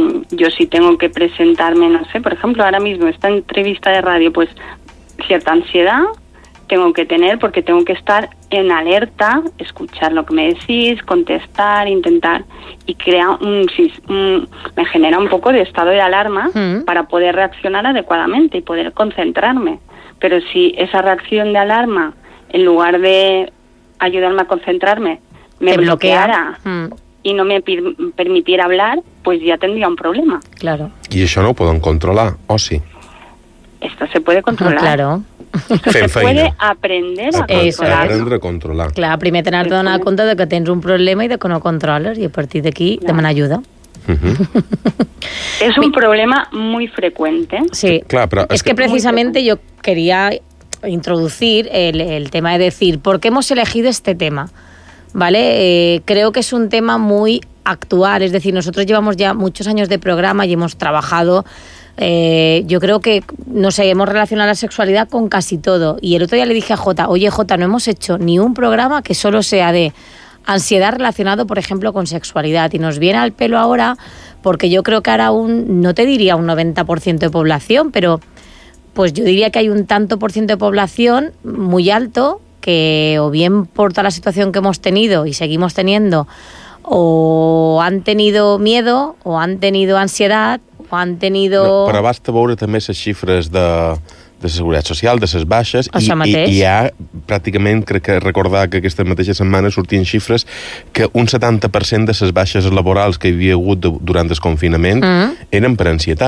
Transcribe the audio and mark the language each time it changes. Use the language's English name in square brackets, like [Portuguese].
[Spanish] Yo sí tengo que presentarme, no sé, por ejemplo, ahora mismo esta entrevista de radio, pues cierta ansiedad tengo que tener porque tengo que estar en alerta, escuchar lo que me decís, contestar, intentar, y crea me genera un poco de estado de alarma para poder reaccionar adecuadamente y poder concentrarme. Pero si esa reacción de alarma, en lugar de ayudarme a concentrarme, me bloqueara... Bloquea. y no me permitiera hablar, pues ya tendría un problema. Claro. [Catalan] ¿Y això no ho poden controlar, o sí? [Spanish] Esto se puede controlar. Claro. [Catalan] Fent feina. [Spanish] Se puede aprender a controlar. [Catalan] Aprendre a controlar. Clar, primer tenir-te a donar compte de que tens un problema i de que no controles, i a partir d'aquí claro. Demanar ayuda. Uh-huh. [Spanish] Es un problema muy frecuente. Sí, claro, pero es que precisamente yo quería introducir el tema de decir por qué hemos elegido este tema, ¿vale? Creo que es un tema muy actual, es decir, nosotros llevamos ya muchos años de programa y hemos trabajado, yo creo que, no sé, hemos relacionado la sexualidad con casi todo. Y el otro día le dije a Jota, oye Jota, no hemos hecho ni un programa que solo sea de ansiedad relacionado, por ejemplo, con sexualidad. Y nos viene al pelo ahora, porque yo creo que ahora un, no te diría un 90% de población, pero pues yo diría que hay un tanto por ciento de población muy alto que o bien por toda la situación que hemos tenido y seguimos teniendo, o han tenido miedo, o han tenido ansiedad, o han tenido... No, [Catalan] però basta veure també les xifres de... de la seguretat social, de les baixes, i ja pràcticament crec que recordar que aquesta mateixa setmana sortien xifres que un 70% de les baixes laborals que hi havia hagut durant el confinament eren per ansietat.